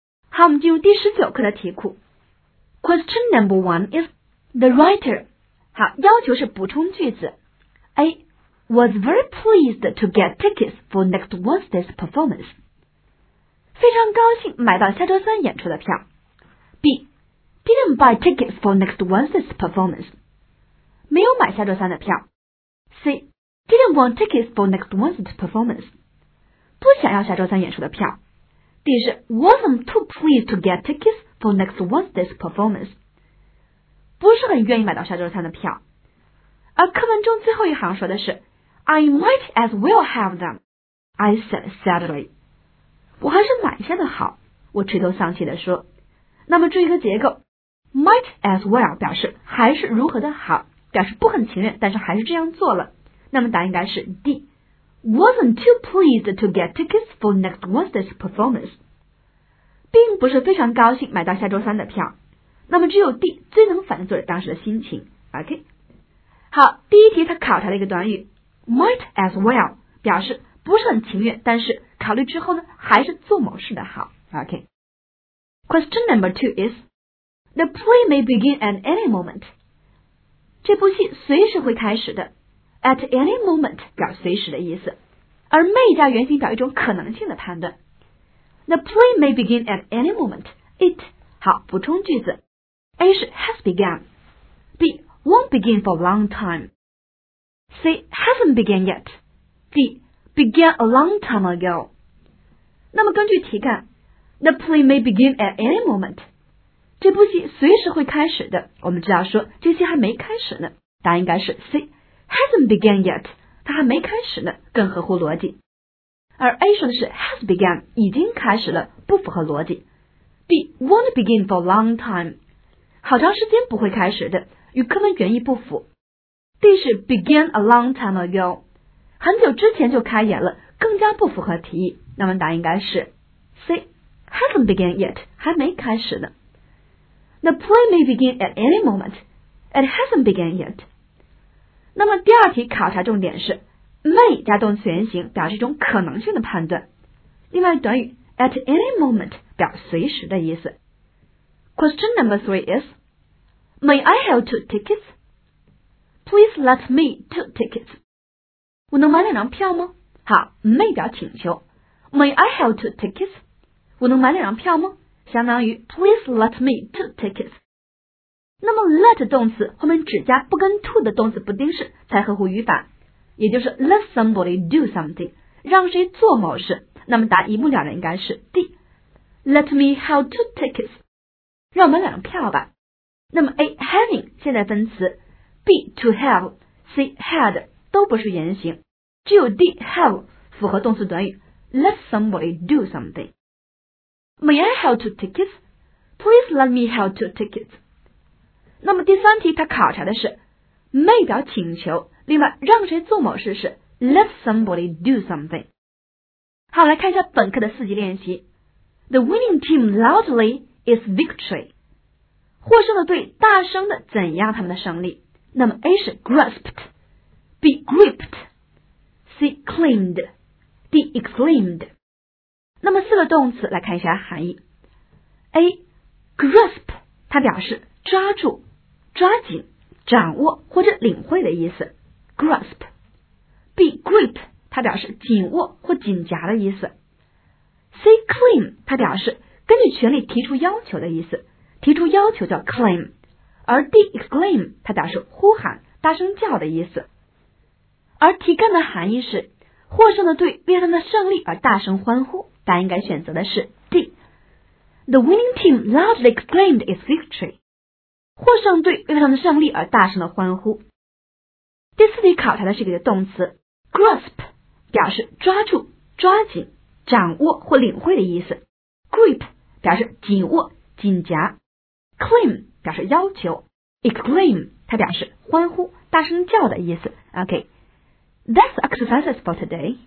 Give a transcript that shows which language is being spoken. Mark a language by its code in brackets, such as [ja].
[zh] 好，我们进入第十九课的题库。 [en] Question number one is the writer. [zh] 好，要求是补充句子。 [en] A was very pleased to get tickets for next Wednesday's performance. [zh] 非常高兴买到下周三演出的票。 [en] B didn't buy tickets for next Wednesday's performance. [zh] 没有买下周三的票。 [en] C didn't want tickets for next Wednesday's performance. [zh] 不想要下周三演出的票。 [en] D 是 wasn't too pleased to get tickets for next Wednesday's performance. [zh] 不是很愿意买到下周三的票。而课文中最后一行说的是 [en] I might as well have them, I said sadly. [zh] 我还是买下的好，我垂头丧气地说。那么注意一个结构， might as well 表示还是如何的好，表示不很情愿但是还是这样做了。那么答案应该是 D, [en] wasn't too pleased to get tickets for next Wednesday's performance. [zh] 并不是非常高兴买到下周三的票。那么只有 D 最能反映作者当时的心情。 OK,好，第一题它考察了一个短语 might as well, 表示不是很情愿但是考虑之后呢还是做某事的好。 [en] OK, question number two is the play may begin at any moment. [zh] 这部戏随时会开始的， at any moment 表随时的意思，而 may 加原形表一种可能性的判断。 [en] the play may begin at any moment, it, [zh] 好，补充句子。 [en] A 是 has begun, BWon't begin for a long time. C. Hasn't begun yet. D. Began a long time ago. [zh] 那么根据题干 [en] The play may begin at any moment. [zh] 这部戏随时会开始的，我们知道说这戏还没开始呢，答案应该是 C. [en] Hasn't begun yet. [zh] 它还没开始呢，更合乎逻辑。而 A 说的是 Has begun, 已经开始了，不符合逻辑。 [en] D. Won't begin for a long time. [zh] 好长时间不会开始的，与课文原意不符。D 是 [en] began a long time ago, [zh] 很久之前就开演了，更加不符合题意。那么答案应该是 C, [en] hasn't begun yet, [zh] 还没开始呢。 [en] The play may begin at any moment, it hasn't begun yet. [zh] 那么第二题考察重点是 may 加动词原形表示一种可能性的判断，另外短语 at any moment 表随时的意思。 [en] Question number three isMay I have two tickets? Please let me two tickets. [zh] 我能买两张票吗？好， may 表请求。 [en] May I have two tickets? [zh] 我能买两张票吗？相当于 Please let me two tickets. 那么 let 动词后面只加不跟 to 的动词不定式才合乎语法，也就是 let somebody do something, 让谁做某事。那么答一目了然应该是 D. [en] Let me have two tickets. [zh] 让我买两张票吧。那么 A, having, 现在分词， B, to have, C, had, 都不是原型，只有 D, have, 符合动词短语 let somebody do something. [en] May I have two tickets? Please let me have two tickets. [zh] 那么第三题它考察的是 may 表请求，另外让谁做某事是 let somebody do something. 好，来看一下本课的四级练习。 [en] The winning team loudly is victory. [zh] 获胜的队大声的怎样他们的胜利。 [en] 那么 A 是 grasped, B gripped, C claimed, D exclaimed. [zh] 那么四个动词来看一下含义。A grasp, 它表示抓住、抓紧、掌握或者领会的意思， grasp. B grip, 它表示紧握或紧夹的意思。 C claim, 它表示根据权利提出要求的意思，提出要求叫 claim, 而 D exclaim 它表示呼喊、大声叫的意思。而题干的含义是获胜的队为他们的胜利而大声欢呼，答案应该选择的是 D. [en] The winning team loudly exclaimed its victory. [zh] 获胜队为他们的胜利而大声的欢呼。第四题考察的是一个动词 grasp, 表示抓住、抓紧、掌握或领会的意思。 grip, 表示紧握、紧夹。Claim 表示要求， exclaim 它表示欢呼、大声叫的意思。 [en] OK, that's exercises for today.